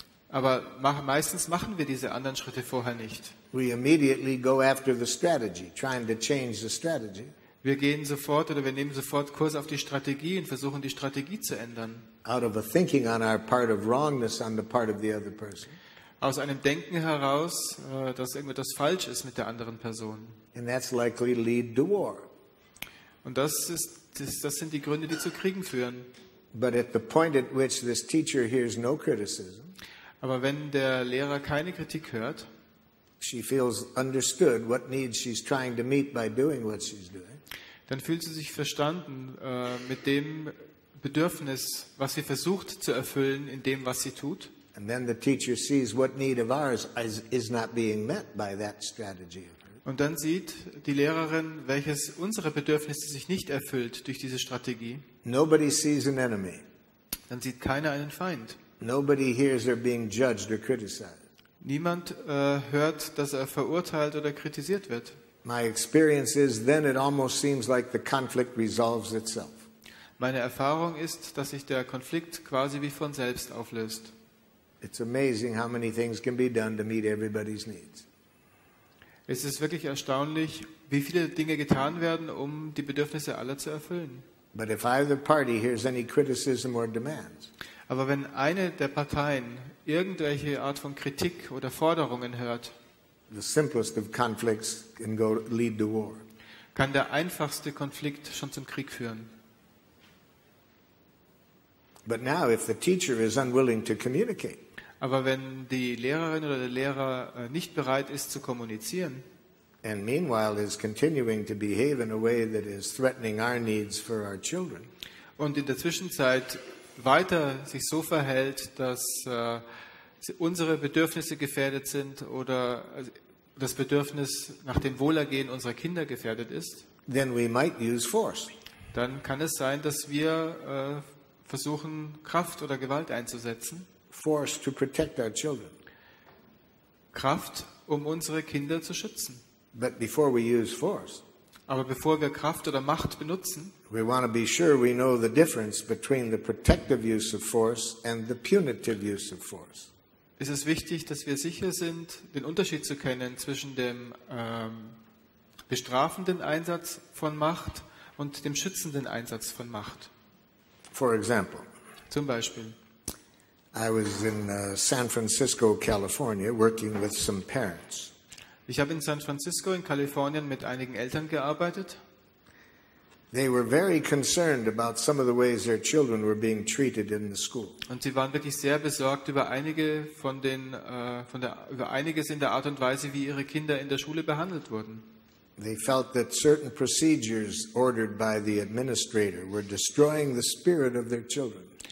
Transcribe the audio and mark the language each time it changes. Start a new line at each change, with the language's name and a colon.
German: Aber meistens machen wir diese anderen Schritte vorher nicht.
English: We immediately go after the strategy, trying to change the strategy.
German: Wir gehen sofort oder wir nehmen sofort Kurs auf die Strategie und versuchen die Strategie zu ändern.
English: Out of a thinking on our part of wrongness on the part of the other person.
German: Aus einem Denken heraus, dass irgendetwas falsch ist mit der anderen Person.
English: And that's likely to lead to war.
German: Und das sind die Gründe, die zu Kriegen führen.
English: But at the point at which this teacher hears no criticism,
German: aber wenn der Lehrer keine Kritik hört,
English: she feels understood what needs she's trying to meet by doing what she's doing.
German: Dann fühlt sie sich verstanden mit dem Bedürfnis, was sie versucht zu erfüllen in dem, was sie tut.
English: And then the teacher sees what need of ours is not being met by that strategy.
German: Und dann sieht die Lehrerin, welches unsere Bedürfnisse sich nicht erfüllt durch diese Strategie.
English: Nobody sees an enemy.
German: Dann sieht keiner einen Feind.
English: Nobody hears her being judged or criticized.
German: Niemand hört, dass er verurteilt oder kritisiert wird.
English: My experience is, then it almost seems like the conflict resolves itself.
German: Meine Erfahrung ist, dass sich der Konflikt quasi wie von selbst auflöst.
English: It's amazing how many things can be done to meet everybody's needs.
German: Es ist wirklich erstaunlich, wie viele Dinge getan werden, um die Bedürfnisse aller zu erfüllen.
English: But if either party hears any criticism or demands,
German: aber wenn eine der Parteien irgendwelche Art von Kritik oder Forderungen hört,
English: the simplest of conflicts can go lead to war.
German: Kann der einfachste Konflikt schon zum Krieg führen.
English: But now if the teacher is unwilling to communicate,
German: aber wenn die Lehrerin oder der Lehrer nicht bereit ist zu kommunizieren,
English: and meanwhile is continuing to behave in a way that is threatening our needs for our children,
German: und in der Zwischenzeit weiter sich so verhält, dass unsere Bedürfnisse gefährdet sind oder das Bedürfnis nach dem Wohlergehen unserer Kinder gefährdet ist,
English: then we might use force.
German: Dann kann es sein, dass wir versuchen, Kraft oder Gewalt einzusetzen.
English: Force to protect our children.
German: Kraft, um unsere Kinder zu schützen.
English: But before we use force,
German: aber bevor wir Kraft oder Macht benutzen,
English: we want to be sure we know the difference between the protective use of force and the punitive use of force.
German: Ist es wichtig, dass wir sicher sind, den Unterschied zu kennen zwischen dem bestrafenden Einsatz von Macht und dem schützenden Einsatz von Macht.
English: For example,
German: zum Beispiel,
English: I was in San Francisco, California, working with some parents.
German: Ich habe in San Francisco in Kalifornien mit einigen Eltern gearbeitet.
English: They were very concerned about some of the ways their children were being treated in the school.
German: Und sie waren wirklich sehr besorgt über einiges in der Art und Weise, wie ihre Kinder in der Schule behandelt wurden.
English: They felt that certain procedures ordered by the administrator were destroying the spirit of their children.